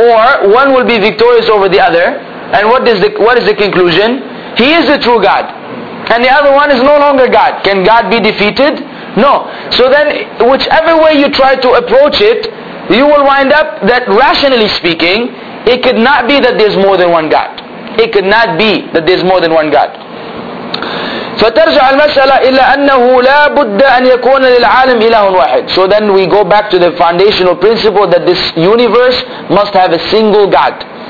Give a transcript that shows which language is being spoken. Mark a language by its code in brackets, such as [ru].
[en] Or one will be victorious over the other. And what is the conclusion? He is the true God. And the other one is no longer God. Can God be defeated? No. So then, whichever way you try to approach it, you will wind up that, rationally speaking, it could not be that there's more than one God. It could not be that there's more than one God. [ar] فترجع المسألة إلا أنه لا بد أن يكون للعالم إله واحد. [en] So then we go back to the foundational principle that this universe must have a single God.